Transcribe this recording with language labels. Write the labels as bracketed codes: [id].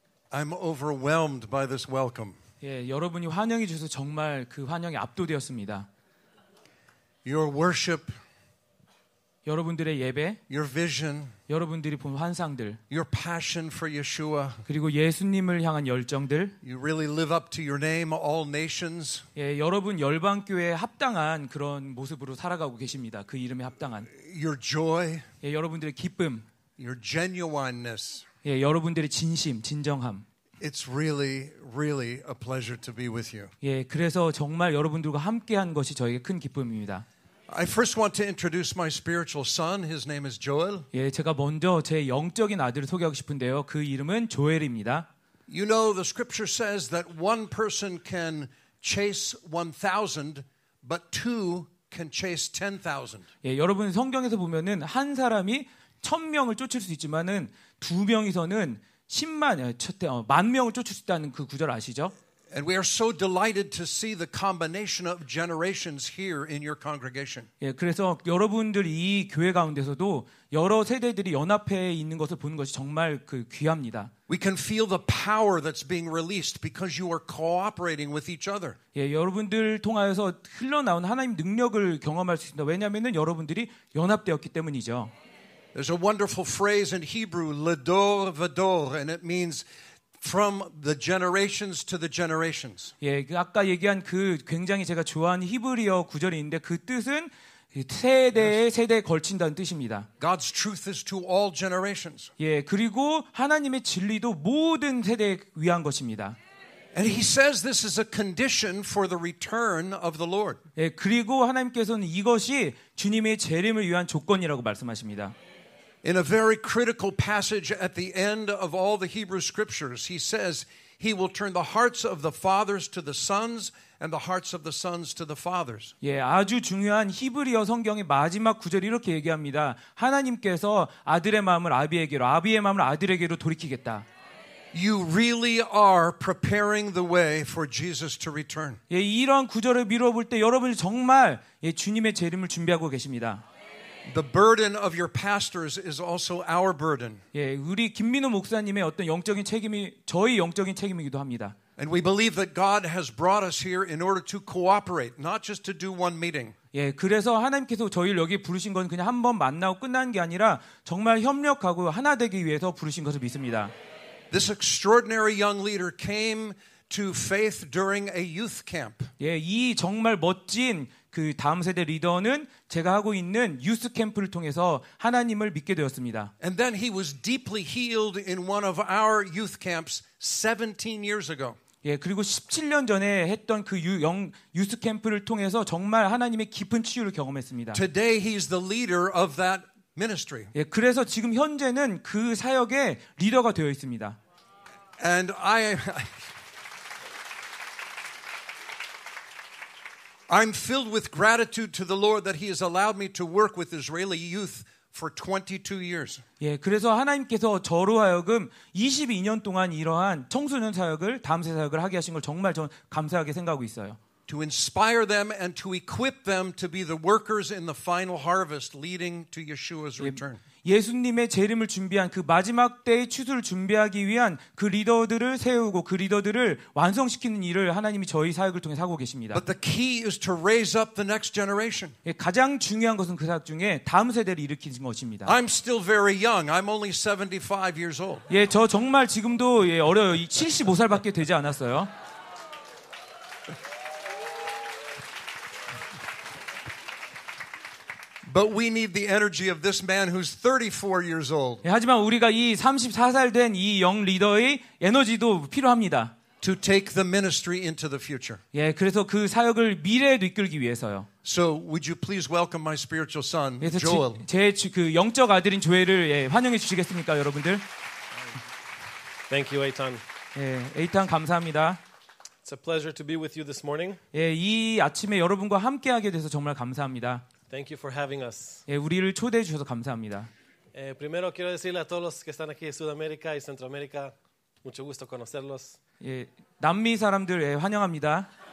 [en] I'm overwhelmed by this welcome. [ko] 예, 여러분이 환영해 주셔서 정말 그 환영에 압도되었습니다. [en] Your worship, [ko] 여러분들의 예배, [en] your vision, [ko] 여러분들이 본 환상들, [en] your passion for Yeshua, [ko] 그리고 예수님을 향한 열정들, [en] you really live up to your name, all nations. [ko] 예, 여러분 열방교회에 합당한 그런 모습으로 살아가고 계십니다. 그 이름에 합당한. [en] Your joy, [ko] 예, 여러분들의 기쁨, [en] your genuineness. [ko] 예, 여러분들의 진심, 진정함. [en] It's really, really a pleasure to be with you. [ko] 예, 그래서 정말 여러분들과 함께한 것이 저에게 큰 기쁨입니다. [en] I first want to introduce my spiritual son. His name is Joel. [ko] 예, 제가 먼저 제 영적인 아들을 소개하고 싶은데요. 그 이름은 조엘입니다. [en] You know, the scripture says that one person can chase 1,000, but two can chase 10,000. [ko] 예, 여러분 성경에서 보면은 한 사람이 1,000명을 쫓을 수 있지만은 두 명이서는 10만, 만 명을 쫓을 수 있다는 그 구절 아시죠? [en] And we are so delighted to see the combination of generations here in your congregation. [ko] 예, 그래서 여러분들 이 교회 가운데서도 여러 세대들이 연합해 있는 것을 보는 것이 정말 그 귀합니다. [en] We can feel the power that's being released because you are cooperating with each other. [ko] 예, 여러분들 통하여서 흘러나온 하나님 능력을 경험할 수 있습니다. 왜냐하면은 여러분들이 연합되었기 때문이죠. [en] There's a wonderful phrase in Hebrew, ledor vador, and it means from the generations to the generations. [ko] 예, 아까 얘기한 그 굉장히 제가 좋아하는 히브리어 구절이 있는데 그 뜻은 세대에 세대에 걸친다는 뜻입니다. [en] God's truth is to all generations. [ko] 예, 그리고 하나님의 진리도 모든 세대에 위한 것입니다. [en] And he says this is a condition for the return of the Lord. [ko] 예, 그리고 하나님께서는 이것이 주님의 재림을 위한 조건이라고 말씀하십니다. [en] In a very critical passage at the end of all the Hebrew scriptures, he says he will turn the hearts of the fathers to the sons and the hearts of the sons to the fathers. [ko] 예, 아주 중요한 히브리어 성경의 마지막 구절이 이렇게 얘기합니다. 하나님께서 아들의 마음을 아비에게로, 아비의 마음을 아들에게로 돌이키겠다. [en] You really are preparing the way for Jesus to return. [ko] 예, 이런 구절을 미뤄볼 때 여러분 정말 예, 주님의 재림을 준비하고 계십니다. [en] The burden of your pastors is also our burden. [ko] 예, 우리 김민우 목사님의 어떤 영적인 책임이 저희 영적인 책임이기도 합니다. [en] And we believe that God has brought us here in order to cooperate, not just to do one meeting. [ko] 예, 그래서 하나님께서 저희를 여기 부르신 건 그냥 한번 만나고 끝난 게 아니라 정말 협력하고 하나 되기 위해서 부르신 것을 믿습니다. [en] This extraordinary young leader came to faith during a youth camp. [ko] 예, 이 정말 멋진 그 다음 세대 리더는 제가 하고 있는 유스 캠프를 통해서 하나님을 믿게 되었습니다. [en] And then he was deeply healed in one of our youth camps 17 years ago. [ko] 예, 그리고 17년 전에 했던 그 유스 캠프를 통해서 정말 하나님의 깊은 치유를 경험했습니다. [en] Today he is the leader of that ministry. [ko] 예, 그래서 지금 현재는 그 사역의 리더가 되어 있습니다. [en] And I'm filled with gratitude to the Lord that he has allowed me to work with Israeli youth for 22 years. [ko] 예, 그래서 하나님께서 저로 하여금 22년 동안 이러한 청소년 사역을 다음 세대 사역을 하게 하신 걸 정말 저는 감사하게 생각하고 있어요. [en] To inspire them and to equip them to be the workers in the final harvest leading to Yeshua's return. [ko] 예, 예수님의 재림을 준비한 그 마지막 때의 추수를 준비하기 위한 그 리더들을 세우고 그 리더들을 완성시키는 일을 하나님이 저희 사역을 통해 하고 계십니다. [en] But the key is to raise up the next generation. [ko] 예, 가장 중요한 것은 그 사역 중에 다음 세대를 일으키는 것입니다. [en] I'm still very young. I'm only 75 years old. [ko] 예, 저 정말 지금도 예, 어려요. 75살밖에 되지 않았어요. [en] But we need the energy of this man who's 34 years old. [ko] 하지만 우리가 이 34살 된 이 영 리더의 에너지도 필요합니다. [en] To take the ministry into the future. [ko] 예, 그래서 그 사역을 미래에도 이끌기 위해서요. [en] So would you please welcome my spiritual son, Joel? [ko] 제 그 영적 아들인 조엘을 예, 환영해 주시겠습니까, 여러분들? [en] Thank you, Eitan. [ko] 예, Eitan 감사합니다. [en] It's It's a pleasure to be with you this morning. [ko] 예, 이 아침에 여러분과 함께하게 돼서 정말 감사합니다. [en] Thank you for having us. [ko] 예, 우리를 초대해 주셔서 감사합니다. [es] Primero quiero decirle a todos los que están aquí de Sudamérica y Centroamérica, mucho gusto conocerlos. [ko] 예, 남미 사람들 예, 환영합니다.